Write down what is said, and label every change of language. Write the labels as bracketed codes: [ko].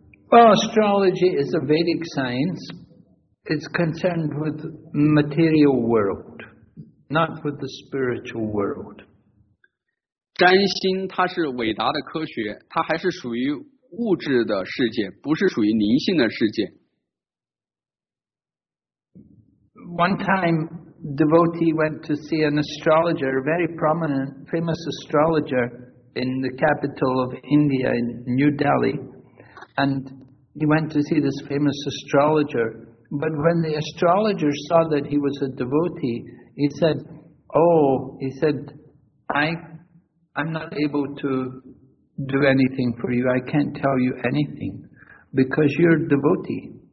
[en] Well, astrology is a Vedic science. It's concerned with material world, not with the spiritual world. [zh] 占星它是伟大的科学，它还是属于物质的世界，不是属于灵性的世界。 [en] One time, devotee went to see an astrologer, a very prominent, famous astrologer in the capital of India, in New Delhi. And he went to see this famous astrologer. But when the astrologer saw that he was a devotee, he said, oh, he said, I'm not able to do anything for you. I can't tell you anything because you're a devotee.